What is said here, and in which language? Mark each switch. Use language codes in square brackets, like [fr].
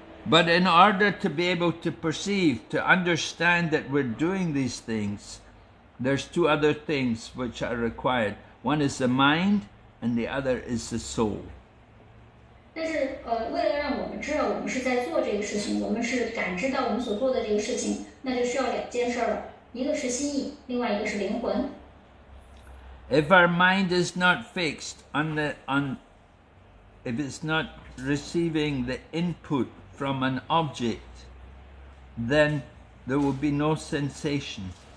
[en] But in order to be able to perceive, to understand that we're doing these things, there's two other things which are required. One is the mind, and the other is the soul. [zh] 但是，为了让我们知道我们是在做这个事情，我们是感知到我们所做的这个事情，那就需要两件事了，一个是心意，另外一个是灵魂。 [en] If our mind is not fixed if it's not receiving the input from an object, then there will be no sensation.